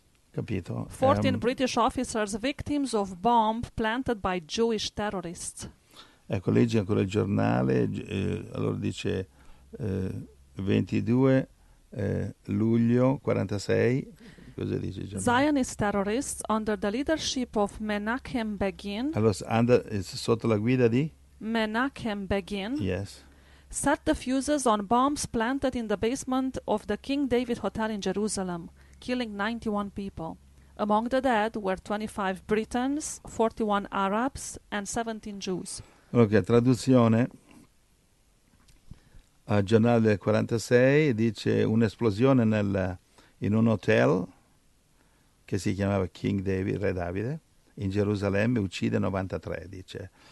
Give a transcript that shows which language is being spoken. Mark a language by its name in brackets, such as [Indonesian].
[Italian] Capito? [English] 14 British officers victims of bomb planted by Jewish terrorists. [Italian] Ecco, leggi ancora il giornale, allora dice 22 luglio 46. Cosa dice il giornale? [English] Zionist terrorists under the leadership of Menachem Begin. [Italian] Allora, sotto la guida di? Menachem Begin. [English] Yes. Set the fuses on bombs planted in the basement of the King David Hotel in Jerusalem, killing 91 people. Among the dead were 25 Britons, 41 Arabs and 17 Jews. [Italian] Ok, traduzione. Al giornale del 46 dice un'esplosione in un hotel che si chiamava King David, Re Davide, in Gerusalemme, uccide 93, dice.